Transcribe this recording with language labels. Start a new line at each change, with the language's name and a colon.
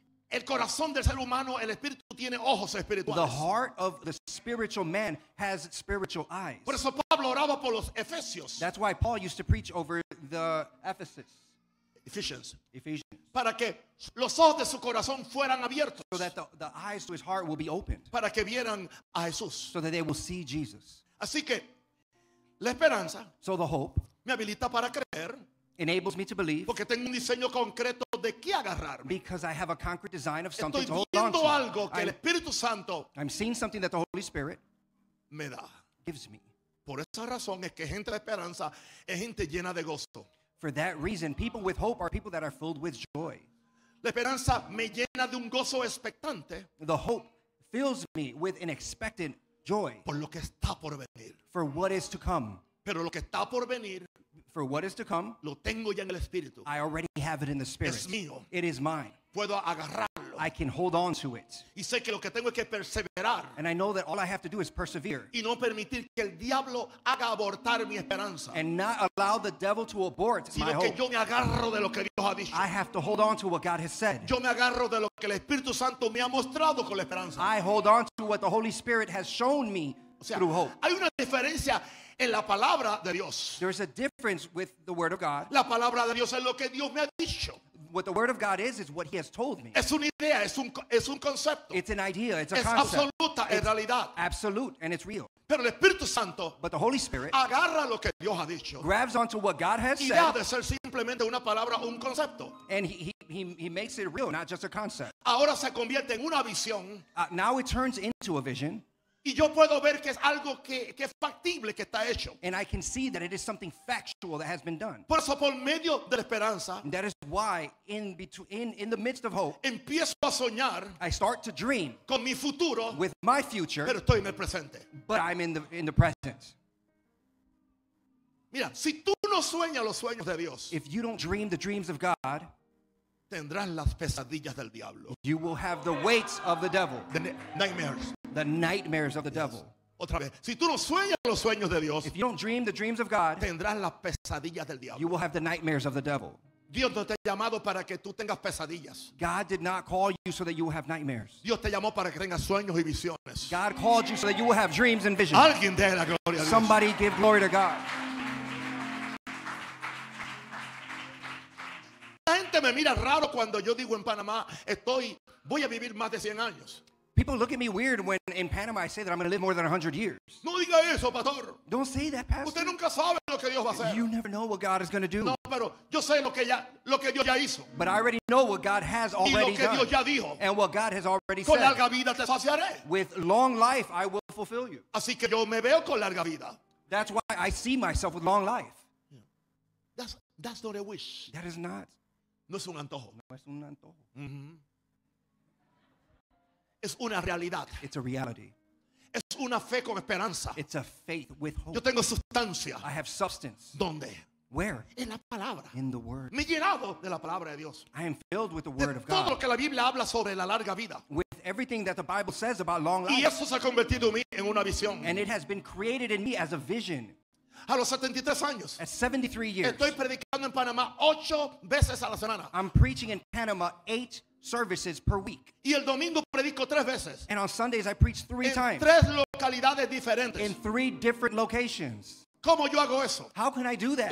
Spanish: El corazón del ser humano, el espíritu tiene ojos espirituales.
English: The heart of the spiritual man has spiritual eyes.
Spanish: Por eso Pablo oraba por los Efesios.
English: That's why Paul used to preach over the Ephesus. Ephesians.
Spanish: Para que los ojos de su corazón fueran abiertos.
English: So that the eyes to his heart will be opened.
Spanish: Para que vieran a Jesús.
English: So that they will see Jesus.
Spanish: Así que la esperanza.
English: So the hope.
Spanish: Me habilita para creer.
English: Enables me to believe.
Spanish: Porque tengo un diseño concreto de qué agarrarme.
English: Because I have a concrete design of something
Spanish: Estoy
English: to hold on to.
Spanish: Algo que el Espíritu Santo
English: I'm seeing something that the Holy Spirit
Spanish: me da.
English: Gives me.
Spanish: Por esa razón es que gente de esperanza es gente llena de gozo.
English: For that reason, people with hope are people that are filled with joy.
Spanish: La esperanza me llena de un gozo expectante.
English: The hope fills me with an expectant joy.
Spanish: Por lo que está por venir.
English: For what is to come.
Spanish: Pero lo que está por venir.
English: For what is to come,
Spanish: lo tengo ya en el espíritu.
English: I already have it in the spirit.
Spanish: Es mío.
English: It is mine.
Spanish: Puedo agarrarlo.
English: I can hold on to it.
Spanish: Y sé que lo que tengo es que perseverar.
English: And I know that all I have to do is persevere.
Spanish: Y no permitir que el diablo haga abortar mi esperanza.
English: And not allow the devil to abort
Spanish: Sino
English: my
Spanish: que
English: hope.
Spanish: Yo me agarro de lo que Dios ha dicho.
English: I have to hold on to what God has said.
Spanish: Yo me agarro de lo que el Espíritu Santo me ha mostrado con la esperanza.
English: I hold on to what the Holy Spirit has shown me
Spanish: o sea,
English: through hope.
Spanish: Hay una diferencia. En la palabra de Dios.
English: There's a difference with the word of God.
Spanish: La palabra de Dios es lo que Dios me ha dicho.
English: what the word of God is what he has told me.
Spanish: Es una idea, es un concepto.
English: It's an idea, it's a
Spanish: es
English: concept.
Spanish: Absoluta,
English: it's
Spanish: realidad.
English: Absolute, and it's real.
Spanish: Pero el Espíritu Santo,
English: but the Holy Spirit
Spanish: agarra lo que Dios ha dicho,
English: grabs onto what God has
Spanish: y
English: said,
Spanish: deja de ser simplemente una palabra, un concepto.
English: And he makes it real, not just a concept.
Spanish: Ahora se convierte en una visión.
English: Now it turns into a vision.
Spanish: Y yo puedo ver que es algo que es factible, que está hecho.
English: And I can see that it is something factual that has been done.
Spanish: Por eso, por medio de la esperanza,
English: that is why in the midst of hope,
Spanish: empiezo a soñar,
English: I start to dream,
Spanish: con mi futuro,
English: with my future,
Spanish: pero estoy en el presente.
English: But I'm in the present.
Spanish: Mira, si tú no sueñas los sueños de Dios,
English: if you don't dream the dreams of God,
Spanish: tendrás las pesadillas del diablo.
English: You will have the weights of the devil. The nightmares. The nightmares of the devil.
Spanish: Otra vez. Si tú no sueñas los sueños de Dios,
English: if you don't dream the dreams of God,
Spanish: tendrás las pesadillas del diablo.
English: You will have the nightmares of the devil.
Spanish: Dios no te ha llamado para que tú tengas pesadillas.
English: God did not call you so that you will have nightmares.
Spanish: Dios te llamó para que tengas sueños y visiones.
English: God called you so that you will have dreams and visions.
Spanish: Alguien dé la gloria a Dios.
English: Somebody give glory to God.
Spanish: La gente me mira raro cuando yo digo en Panamá voy a vivir más de 100 años.
English: People look at me weird when in Panama I say that I'm going to live more than 100 years.
Spanish: No diga eso, pastor.
English: Don't say that, pastor.
Spanish: Usted nunca sabe lo que Dios va a hacer.
English: You never know what God is going to do.
Spanish: No, pero yo sé lo que Dios ya hizo.
English: But I already know what God has already done.
Spanish: Y lo que
English: done.
Spanish: Dios ya dijo.
English: And what God has already
Spanish: con
English: said.
Spanish: Larga vida te saciaré.
English: With long life I will fulfill you.
Spanish: Así que yo me veo con larga vida.
English: That's why I see myself with long life. Yeah. That's not a wish. That is not.
Spanish: No es un antojo. No es un antojo. Mm-hmm. Es una realidad.
English: It's a reality.
Spanish: Es una fe con esperanza.
English: It's a faith with hope.
Spanish: Yo tengo sustancia.
English: I have substance.
Spanish: ¿Dónde?
English: Where?
Spanish: En la palabra.
English: In the word.
Spanish: Me he llenado de la palabra de Dios.
English: I am filled with the word
Spanish: de
English: of God.
Spanish: Todo lo que la Biblia habla sobre la larga vida.
English: With everything that the Bible says about long life.
Spanish: Y eso se ha convertido en mí en una visión.
English: And it has been created in me as a vision.
Spanish: A los 73 años.
English: At 73 years.
Spanish: Estoy predicando en Panamá 8 veces a la semana.
English: I'm preaching in Panama 8 services per week.
Spanish: Y el domingo predico 3 veces.
English: And on Sundays I preach 3 times.
Spanish: En 3 localidades diferentes.
English: In 3 different locations.
Spanish: ¿Cómo yo hago eso?
English: How can I do that?